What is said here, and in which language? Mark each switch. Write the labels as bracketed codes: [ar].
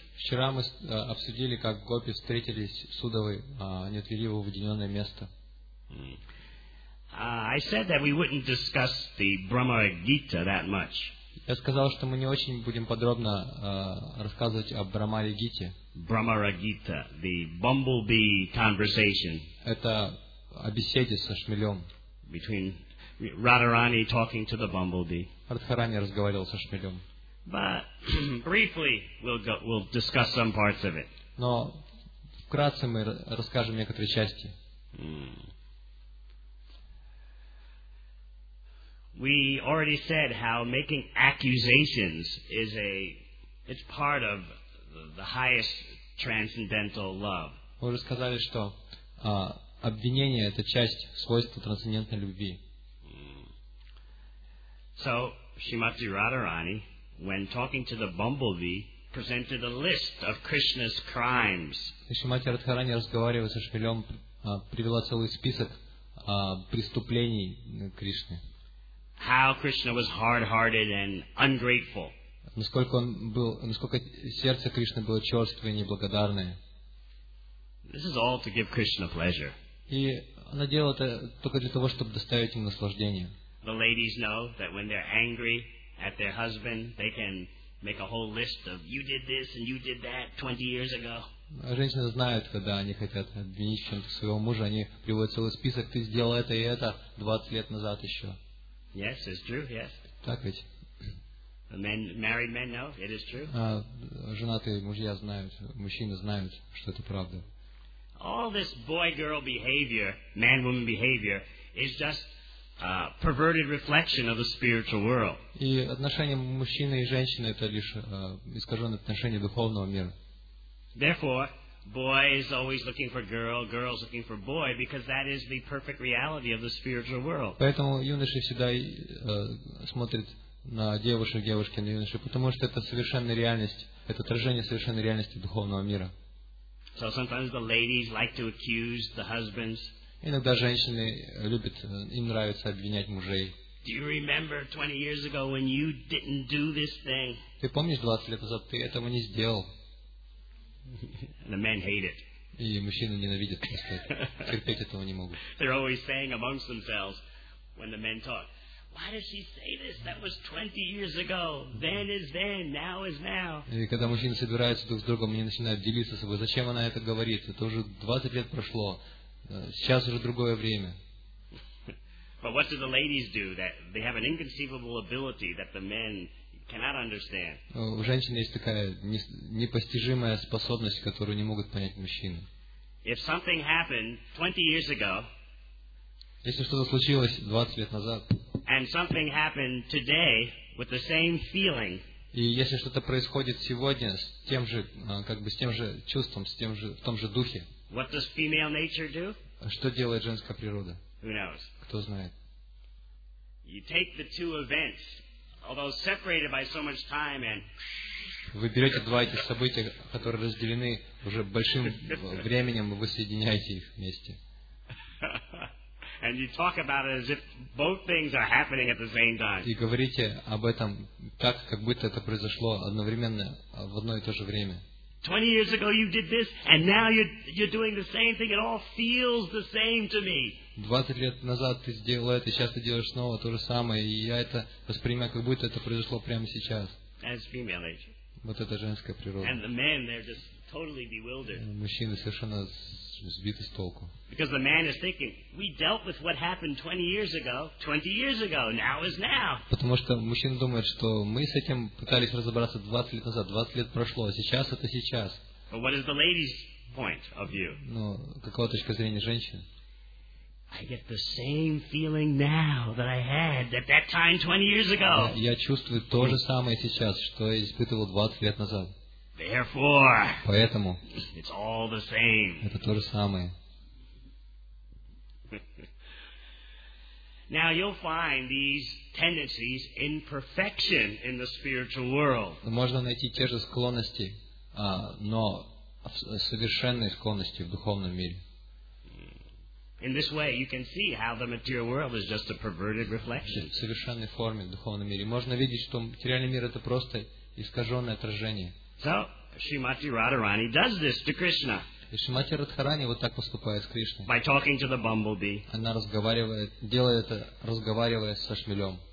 [ru] Вчера мы обсудили, как гопи встретились с Уддхавой, они отвели его в уединенное место. [en] I said that we wouldn't discuss the Brahma Gita that much. [ru] Я сказал, что мы не очень будем подробно рассказывать о Брахмагите. [en] Brahmagita, the bumblebee conversation. [ru] Это о беседе со шмелем. [en] Between Radharani talking to the bumblebee. [ru] Радхарани разговаривал со шмелем. [en] But briefly, we'll discuss some parts of it. [ru] Но вкратце мы расскажем некоторые части. [en] We already said how making accusations is it's part of the highest transcendental love. [ru] Мы уже сказали, что обвинение это часть свойства трансцендентной любви. [en] So Srimati Radharani, when talking to the bumblebee, presented a list of Krishna's crimes. [ru] Шримати Радхарани, разговаривая со шмелем, привела целый список преступлений Кришны. [en] How Krishna was hard-hearted and ungrateful. [ru] Насколько сердце Кришны было черствое и неблагодарное. [en] This is all to give Krishna pleasure. [ru] И она делала это только для того, чтобы доставить ему наслаждение. [en] The ladies know that when they're angry at their husband, they can make a whole list of you did this and you did that 20 years ago. [ru] Женщины знают, когда они хотят обвинить чем-то своего мужа, они приводят целый список, ты сделал это и это 20 лет назад еще. [en] Yes, it's true, yes. [ru] Так ведь? [en] The men, married men know, it is true. [ru] Женатые мужья знают, мужчины знают, что это правда. [en] All this boy-girl behavior, man-woman behavior, is just a perverted reflection of the spiritual world. [ru] И отношения мужчины и женщины это лишь искаженное отношение духовного мира. [en] Therefore, boy is always looking for girl, girls looking for boy, because that is the perfect reality of the spiritual world. [ru] Поэтому юноши всегда смотрят на девушек, девушки на юноши, потому что это совершенная реальность, это отражение совершенной реальности духовного мира. [en] So sometimes the ladies like to accuse the husbands. [ru] Иногда женщины любят, им нравится обвинять мужей. [en] Do you remember 20 years ago when you didn't do this thing? [ru] Ты помнишь 20 лет назад ты этого не сделал? [en] The men hate it. [ru] И мужчины ненавидят просто. Терпеть этого не могут. [en] They're always saying amongst themselves when the men talk, why does she say this? That was 20 years ago. Then is then. Now is now. [ru] И когда мужчины собираются друг с другом, они начинают делиться с собой. Зачем она это говорит? Это уже 20 лет прошло. Сейчас уже другое время. [en] But what do the ladies do? That they have an inconceivable ability that the men cannot understand. [ru] У женщин есть такая непостижимая способность, которую не могут понять мужчины. [en] If something happened 20 years ago, [ru] если что-то случилось 20 лет назад, [en] and something happened today with the same feeling, [ru] и если что-то происходит сегодня с тем же, как бы с тем же чувством, с тем же, в том же духе, [en] what does female nature do? [ru] Что делает женская природа? [en] Who knows? [ru] Кто знает? [en] You take the two events, although separated by so much time, and [ru] вы берете два этих события, которые разделены уже большим временем, и вы соединяете их вместе. [en] And you talk about it as if both things are happening at the same time. [ru] И говорите об этом так, как будто это произошло одновременно в одно и то же время. [en] 20 years ago you did this, and now you're doing the same thing. It all feels the same to me. [ru] 20 лет назад ты сделал это, сейчас ты делаешь снова то же самое, и я это воспринимаю, как будто это произошло прямо сейчас. [en] As female age. [ru] Вот это женская природа. [en] And the men, they're just totally bewildered. [ru] Мужчина совершенно сбит с толку. [en] Because the man is thinking, we dealt with what happened 20 years ago. 20 years ago, now is now. [ru] Потому что мужчина думает, что мы с этим пытались разобраться 20 лет назад. 20 лет прошло, а сейчас это сейчас. [en] But what is the lady's point of view? [ru] Ну, какова точка зрения женщины? [en] I get the same feeling now that I had at that time 20 years ago. [ru] Я чувствую то же самое сейчас, что я испытывал 20 лет назад. [en] Therefore, [ru] поэтому, [en] it's all the same. [ru] Это то же самое. [en] Now you'll find these tendencies in perfection in the spiritual world. [ru] Можно найти те же склонности, но совершенные склонности в духовном мире. [en] In this way, you can see how the material world is just a perverted reflection. [ru] В совершенной форме в духовном мире можно видеть, что материальный мир это просто искаженное отражение. [en] So, Shrimati Radharani does this to Krishna. [ru] И Шримати Радхарани вот так поступает с Кришной. [en] By talking to the bumblebee. [ru] Она разговаривает, делает это, разговаривая со шмелем.